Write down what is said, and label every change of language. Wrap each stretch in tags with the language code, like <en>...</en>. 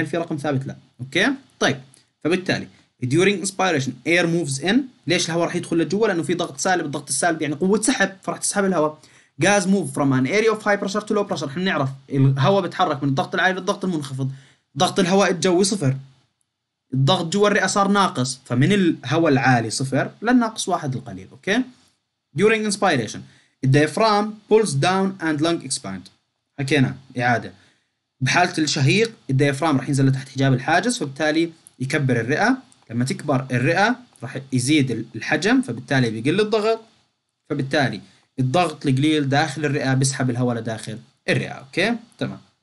<ar>هل في رقم ثابت؟ لا أوكي. طيب فبالتالي</ar> <en>during inspiration air moves in</en> <ar>ليش الهواء راح يدخل لجوا؟ لانه في ضغط سالب، الضغط السالب يعني قوه سحب فراح تسحب الهواء.</ar> <en>gas move from an area of high pressure to low pressure</en> <ar>احنا بنعرف الهواء بيتحرك من الضغط العالي للضغط المنخفض، ضغط الهواء الجوي صفر، الضغط جوا الرئه صار ناقص فمن الهواء العالي صفر للناقص واحد القليل اوكي.</ar> <en>during inspiration diaphragm pulls down and lung expand</en> <ar>حكينا اعاده. بحاله الشهيق الديافرام راح ينزل لتحت حجاب الحاجز فبالتالي يكبر الرئه، لما تكبر الرئة راح يزيد الحجم فبالتالي بيقل الضغط، فبالتالي الضغط القليل داخل الرئة بيسحب الهواء لداخل الرئة اوكي تمام.</ar>